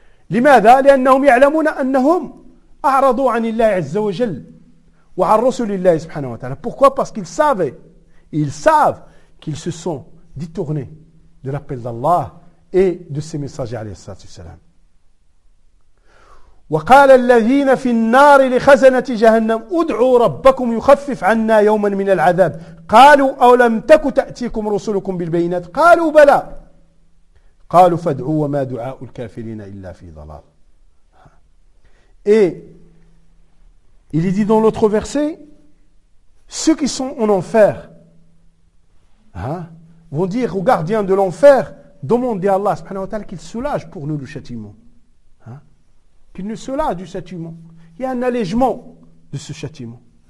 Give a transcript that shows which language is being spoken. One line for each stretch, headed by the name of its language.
Arabic: لِمَاذَا لِأَنَّهُمْ يَعْلَمُونَ أَنَّهُمْ أَعْرَضُوا عَنِ اللَّهِ عَزَّ وَجَلْ وَعَنْ رَسُولِ اللَّهِ سُبْحَانَهُ وَتَعَالَى.
French: Pourquoi? Parce qu'ils savaient, ils savent qu'ils se sont détournés de l'appel d'Allah et de ses messagers
Arabic: عليه الصلاة والسلام. وقال الذين في النار لخزنة جهنم ادعوا ربكم يخفف عنا يوما من العذاب قالوا أو لم تك تأتيكم رسلكم بالبينات قالوا بلى قالوا فادعوا وما دعاء الكافرين إلا في ضلال.
French: Et il est dit dans l'autre verset, ceux qui sont en enfer vont dire aux gardiens de l'enfer, demandez à Allah subhanahu wa ta'ala qu'il soulage pour nous le châtiment. Qu'il ne se lasse du châtiment. Il y a un allègement de ce châtiment.